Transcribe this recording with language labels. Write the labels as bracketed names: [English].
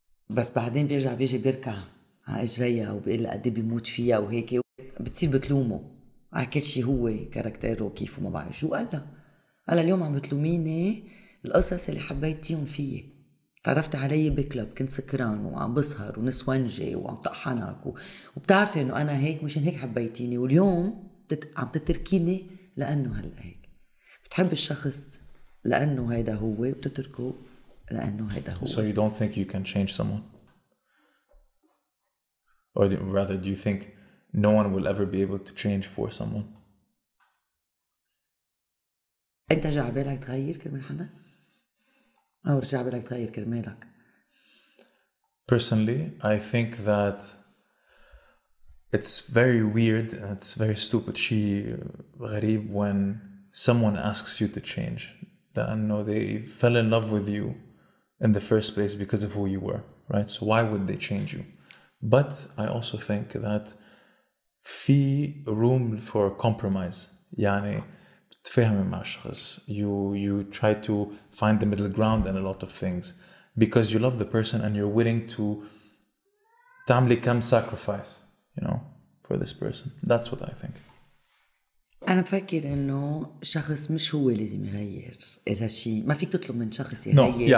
[Arabic] بس بعدين بيرجع بيجي بيركع على إجريها وبيقول لقد بيموت فيها وهيك بتصير بتلومه على كل شيء هو كاركتيره وكيف وما بعرف شو قال له قال اليوم عم بتلوميني القصص اللي حبيتيهم فيي تعرفت علي بكلب كنت سكران وعم بصهر ونسوانجي وعم طقحنك وبتعرفي انه انا هيك مشان هيك حبيتيني واليوم عم تتركيني لانه هلا هيك بتحب الشخص لانه هيدا هو وبتتركه لانه هيدا هو. [English] So you don't think you can change someone? Or rather do you think no one will ever be able to change for someone? [Arabic] انت جاي عبالك تغير كرمال حدا؟ أو رجع بالك تغير كرمالك. [English] Personally, I think that it's very weird and it's very stupid. [Arabic] شي غريب [English] when someone asks you to change. لأنه they fell in love with you in the first place because of who you were, right? So why would they change you? But I also think that في room for compromise. [Arabic] يعني تفهمي مع الشخص. [English] You try to find the middle ground in a lot of things because you love the person and you're willing to [Arabic] تعملي كم [English] sacrifice, you know, for this person. That's what I think. [Arabic] أنا بفكر إنه شخص مش هو لازم يغير إذا شيء ما فيك تطلب من شخص يغير.